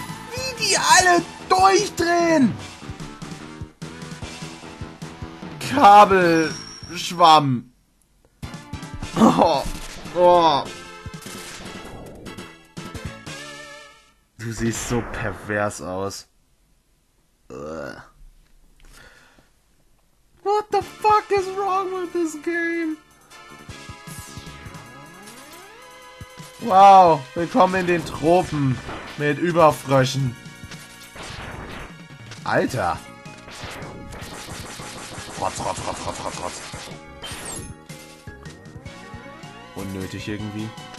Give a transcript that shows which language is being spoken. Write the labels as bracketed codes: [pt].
[de] Wie die alle durchdrehen! Kabel... Schwamm... Oh. Oh. Du siehst so pervers aus. [en] What the fuck is wrong with this game? [de] Wow, willkommen in den Tropen mit Überfröschen. Alter. Rotz. Unnötig irgendwie.